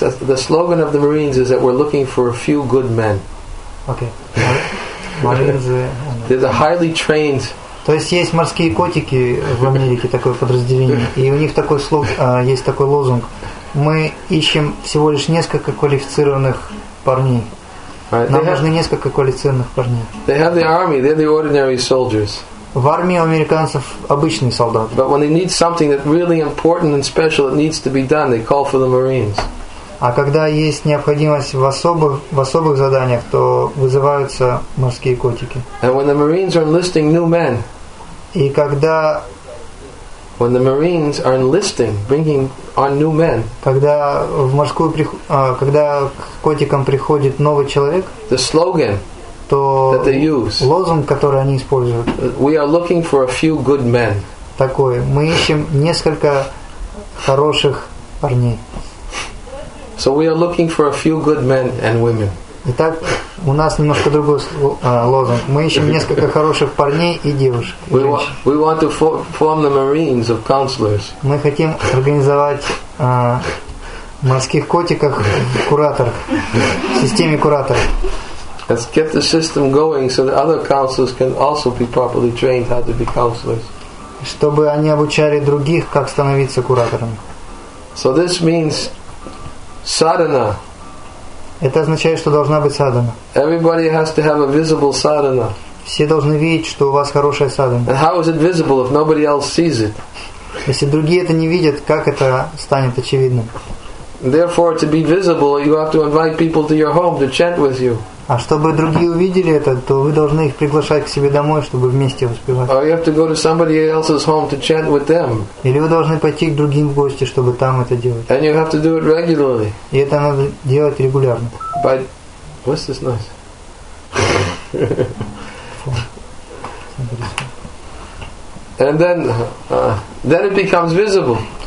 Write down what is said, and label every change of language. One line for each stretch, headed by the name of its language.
English: The slogan of the Marines is that we're looking for a few good men. Okay. Marines. They're the highly trained.
Russian: То есть есть морские котики в Америке такое подразделение, и у них такой есть такой лозунг. Мы ищем всего лишь несколько квалифицированных парней. Нам нужны несколько квалифицированных парней.
English: They have the army. They're the ordinary soldiers.
Russian: В армии у американцев обычные солдаты.
English: But when they need something that really important and special, it needs to be done, they call for the Marines.
Russian: А когда есть необходимость в особых заданиях, то вызываются морские котики.
English: And when the Marines are enlisting new men,
Russian: и когда
English: when the Marines are enlisting, bringing on new men,
Russian: когда к котикам приходит новый человек,
English: the slogan that they use.
Russian: Лозунг, который они используют.
English: We are looking for a few good men.
Russian: Такой. Мы ищем несколько хороших парней.
English: So we are looking for a few good men and women.
Russian: Итак, у нас немножко другой лозунг. Мы ищем несколько хороших парней и девушек.
English: We want to form the Marines of counselors.
Russian: Мы хотим организовать морских котиков кураторов в системе кураторов.
English: Let's get the system going so that other counselors can also be properly trained how to be counselors.
Russian: Чтобы они обучали других, как становиться кураторами.
English: So this means sadhana.
Russian: Это означает, что должна быть садхана.
English: Everybody has to have a visible sadhana.
Russian: Все должны видеть, что у вас хорошая садхана.
English: And how is it visible if nobody else sees it?
Russian: Если другие это не видят, как это станет очевидным?
English: Therefore, to be visible, you have to invite people to your home to chant with you.
Russian: А чтобы другие увидели это, то вы должны их приглашать к себе домой, чтобы вместе воспевать.
English: Or you have to go to somebody else's home to chant with them.
Russian: Или вы должны пойти к другим в гости, чтобы там это делать.
English: And you have to do it regularly.
Russian: И это надо делать регулярно.
English: But what's this noise? And then it becomes visible.